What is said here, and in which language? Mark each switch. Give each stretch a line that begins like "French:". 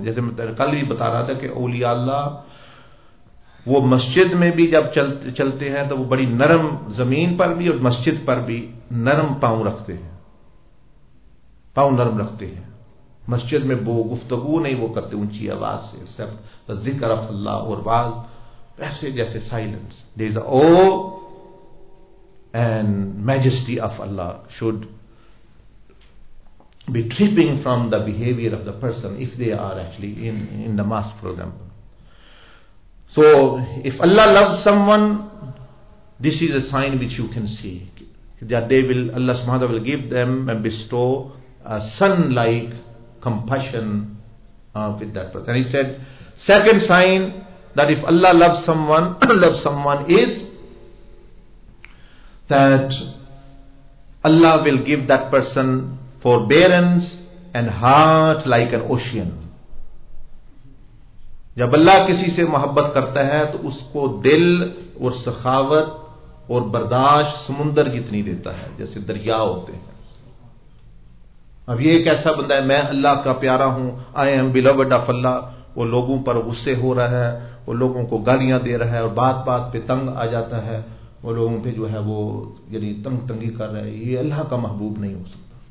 Urdu: Jaise main kal bhi bata raha tha ki auliya Allah وہ مسجد میں بھی جب چلتے ہیں تو وہ بڑی نرم زمین پر بھی اور مسجد پر بھی نرم پاؤں رکھتے ہیں, پاؤں نرم رکھتے ہیں. مسجد میں وہ گفتگو نہیں وہ کرتے اونچی آواز سے, سب ذکر اف اللہ اور باز ایسے جیسے silence.
English: There is awe and majesty of Allah should be dripping from the behavior of the person if they are actually in the mosque, for example. So, if Allah loves someone, this is a sign which you can see. That they will, Allah subhanahu wa ta'ala will give them and bestow a sun-like compassion with that person. And he said, second sign that if Allah loves someone, loves someone is that Allah will give that person forbearance and heart like an ocean.
Urdu: جب اللہ کسی سے محبت کرتا ہے تو اس کو دل اور سخاوت اور برداشت سمندر جتنی دیتا ہے, جیسے دریا ہوتے ہیں. اب یہ ایک ایسا بندہ ہے, میں اللہ کا پیارا ہوں,
English: I am beloved of Allah,
Urdu: وہ لوگوں پر غصے ہو رہا ہے, وہ لوگوں کو گالیاں دے رہا ہے اور بات بات پہ تنگ آ جاتا ہے, وہ لوگوں پہ جو ہے وہ یعنی تنگ تنگی کر رہا ہے, یہ اللہ کا محبوب نہیں ہو سکتا.